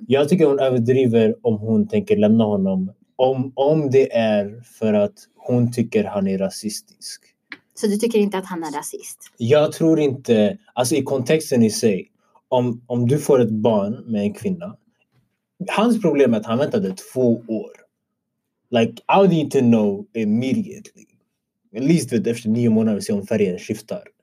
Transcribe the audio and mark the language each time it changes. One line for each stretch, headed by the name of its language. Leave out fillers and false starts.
Swedish: Jag tycker hon överdriver om hon tänker lämna honom. Om det är för att hon tycker han är rasistisk. Så du tycker inte att han är rasist? Jag tror inte, alltså i kontexten i sig, om du får ett barn med en kvinna, hans problem är att han väntade 2 år.
English: Like, I need to know immediately. At least with,
Swedish: efter 9 månader se om färgen skiftar.